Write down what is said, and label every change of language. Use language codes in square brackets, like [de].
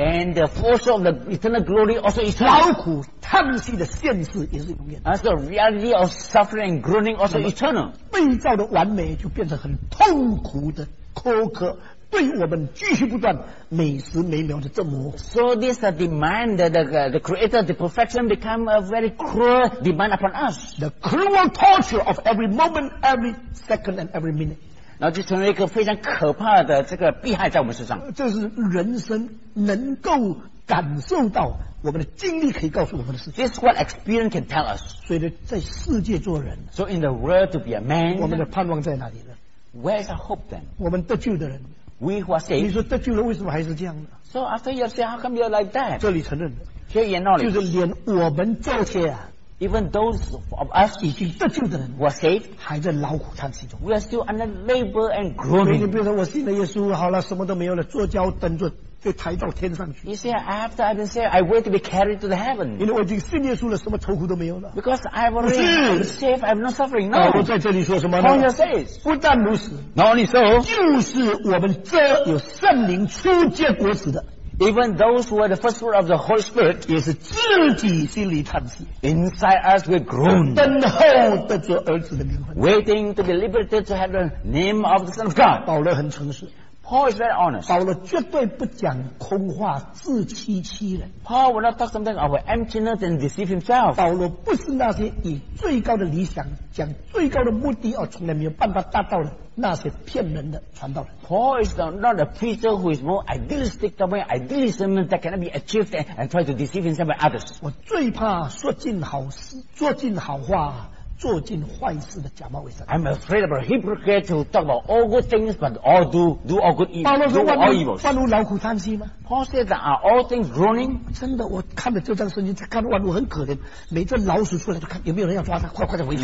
[en] and the force of the eternal glory also is eternal [zh] 劳苦叹息的现世也是永远的 [en] as the reality of suffering and groaning also eternal [zh] 被造的完美就变成很痛苦的苛刻对我们继续不断每时每秒的折磨 [en] So this demand that the creator the perfection become a very cruel demand upon us The cruel torture of every moment every second and every minute [zh] 然后就成为一个非常可怕的这个弊害在我们身上这是人生能够感受到我们的经历可以告诉我们的事情 [en] This is what experience can tell us [zh] 所以在世界做人 [en] So in the world to be a man [zh] 我们的盼望在哪里呢 [en] Where is our hope then [zh] 我们得救的人 [en] We who are saved. [zh] 你说得救了，为什么还是这样呢 [en] ？So after you say, how come you're like that? [zh] 这里承认 [en] 的 ，here acknowledge， [zh] 就是连我们这些啊 [en] ，even those of us [zh] 已经得救的人 [en] ，were saved， [zh] 还在劳苦叹息中。 [en] We are still under labor and groaning。 [zh] 你比如说，我信了耶稣，好了，什么都没有了，坐轿等着被抬到天上去。 [en] You see, after I've been saved, I wait to be carried to the heaven. [zh] 因为我已经信耶稣了，什么愁苦都没有了。 [en] Because I've already been saved, I've no suffering. No. [zh] 我在这里说什么呢 [en] ？Paul says， [zh] 不但如此 [en] ，Not only so， [zh] 就是我们这有圣灵初结果子的 [en] ，Even those who are the first fruit of the Holy Spirit， [zh] 也是自己心里叹息。 [en] Inside us we groan， [zh] 等候得着儿子的名分 [en] ，Waiting to be liberated to have the name of the Son of God。 [zh] 保罗很诚实。 [en] Paul is very honest. [zh] 保罗绝对不讲空话，自欺欺人。 [en] Paul will not talk something of emptiness and deceive himself. [zh] 保罗不是那些以最高的理想、讲最高的目的而从来没有办法达到的那些骗人的传道人。 [en] Paul is not a preacher who is more idealistic than idealism that cannot be achieved and try to deceive himself and others. [zh] 我最怕说尽好事、说尽好话。做尽坏事的假冒伪善。 [en] I'm afraid of a hypocrite who talk about all good things but all do all good evil. [zh] 保罗说 [en] all evil. [zh] 万物劳苦叹息吗 [en] ？Paul said that are all things groaning. [zh] 真的，我看了这张圣经，他看万物很可怜，每只老鼠出来都看有没有人要抓它，快快的围住。